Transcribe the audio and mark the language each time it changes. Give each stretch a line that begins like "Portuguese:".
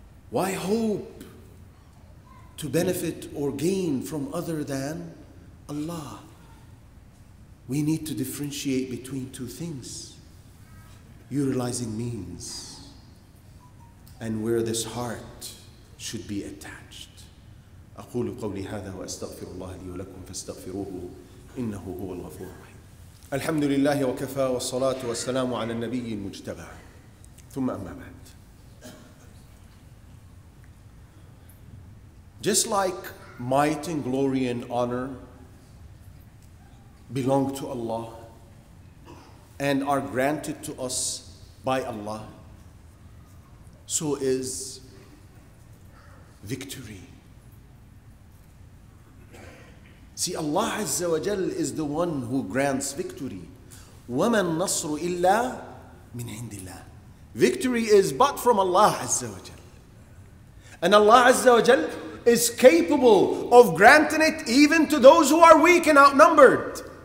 English: Why hope to benefit or gain from other than Allah? We need to differentiate between two things, utilizing means and where this heart should be attached.
Arabic: أقول قولي هذا وأستغفر الله لي ولكم فاستغفروه إنه هو الغفور الرحيم الحمد لله وكفى والصلاة والسلام على النبي المجتبى ثم أما بعد
English: Just like might and glory and honor belong to Allah and are granted to us by Allah, so is victory.
Arabic: See, Allah Azza wa Jal is the one who grants victory. وَمَا النَّصْرُ إِلَّا مِنْ عِنْدِ اللَّهِ
English: Victory is but from Allah Azza wa Jal. And Allah Azza wa Jal is capable of granting it even to those who are weak and outnumbered.